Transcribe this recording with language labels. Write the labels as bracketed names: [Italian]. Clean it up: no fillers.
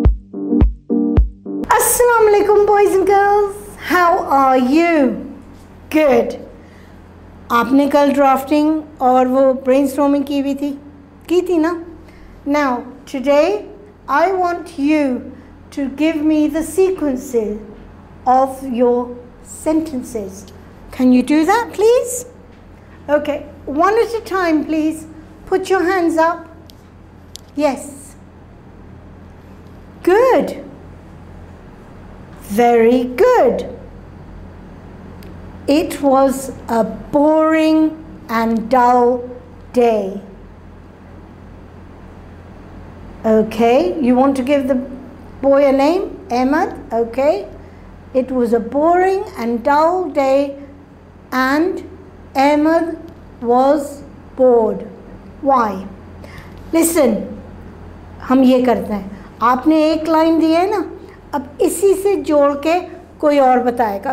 [English] Assalamualaikum boys and girls, how are you? Good. [Hindi] आपने कल drafting और वो brainstorming की थी ना? [English] Now today I want you to give me the sequences of your sentences. Can you do that, please? Okay, one at a time, please. Put your hands up. Yes. Good. Very good. It was a boring and dull day. Okay, you want to give the boy a name? Ahmed? Okay. It was a boring and dull day and Ahmed was bored. Why? [Hindi] Listen, हम ये करते हैं. आपने एक line दी है ना, अब इसी से जोड़ के कोई और बताएगा.